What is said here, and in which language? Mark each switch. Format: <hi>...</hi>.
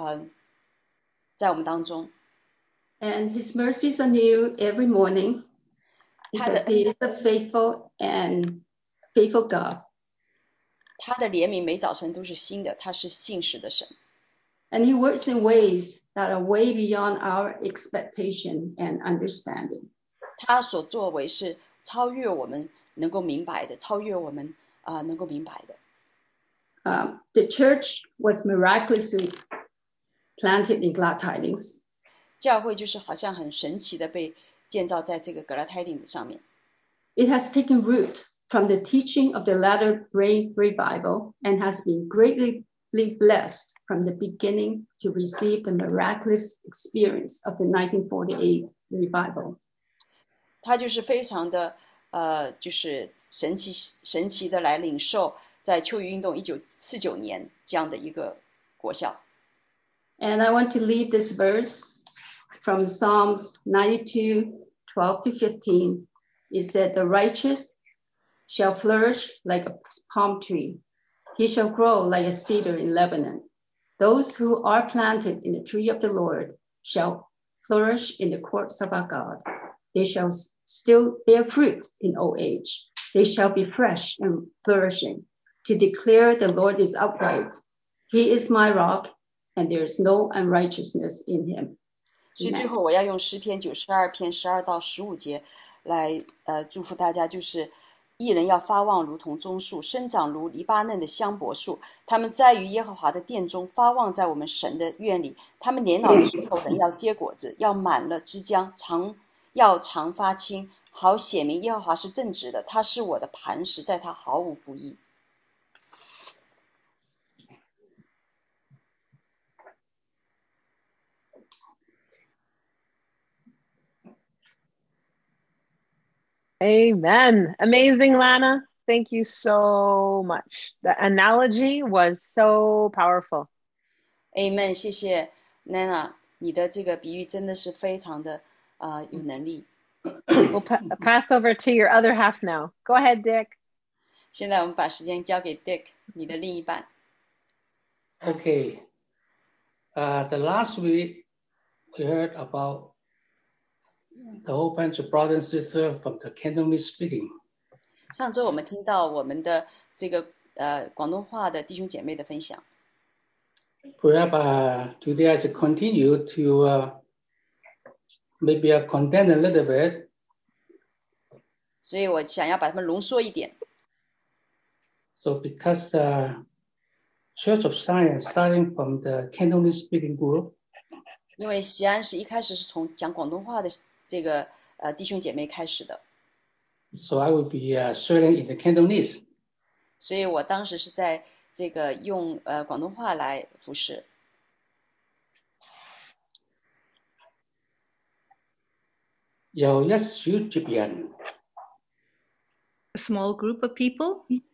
<zh>因为神的这个信实呢，这个树呢现在继续的在这个发旺，继续的在我们当中。</zh> <en>And His mercies are new every morning, because He is a faithful and faithful God.</en> <zh>他的怜悯每早晨都是新的，他是信实的神。</zh> <en>And he works in ways that are way beyond our expectation and understanding.</en> <zh>他所作为是超越我们能够明白的，超越我们能够明白的。</zh> <en>The church was miraculously planted in glad tidings.</en> <zh>教会就是好像很神奇的被建造在这个格拉泰丁上面。</zh> <en>It has taken root from the teaching of the latter rain revival and has been greatly blessed from the beginning to receive the miraculous experience of the 1948 revival.</en> <zh>它就是非常的就是神奇的来领受在秋雨运动1949年这样的一个果效。</zh> <en>And I want to leave this verse from Psalms 92:12-15. It said, the righteous shall flourish like a palm tree. He shall grow like a cedar in Lebanon. Those who are planted in the tree of the Lord shall flourish in the courts of our God. They shall still bear fruit in old age. They shall be fresh and flourishing. To declare the Lord is upright. He is my rock, and there is no unrighteousness in him.</en> <zh>所以最后我要用诗篇92篇12-15节来祝福大家，就是义人要发旺如同棕树，生长如黎巴嫩的香柏树，他们栽于耶和华的殿中，发旺在我们神的院里，他们年老的时候仍要结果子，要满了枝浆，常发青，好显明耶和华是正直的，他是我的磐石，在他毫无不义。</zh> <en>Amen. Amazing, Lana. Thank you so much. The analogy was so powerful. Amen.</en> <zh>谢谢 Lana, 你的这个比喻真的是非常的有能力。</zh> <en>We'll pass over to your other half now. Go ahead, Dick.</en> <zh>现在我们把时间交给 Dick, 你的另一半。</zh> <en>Okay. The last week, we heard about the whole bunch of brothers and sisters from the Cantonese speaking.</en> <zh>上周我们听到我们的这个广东话的弟兄姐妹的分享。</zh> <en>Perhaps today I should continue to maybe condense a little bit.</en> <zh>所以我想要把它们浓缩一点。</zh> <en>So because the Church of Xi'an starting from the Cantonese speaking group.</en> <zh>因为西安是一开始是从讲广东话的这个弟兄姐妹开始的。</zh> <en>So I will be sharing in the Cantonese.</en> <zh>所以我当时是在这个用广东话来服侍。有一小撮人。</zh> <en>A small group of people.</en>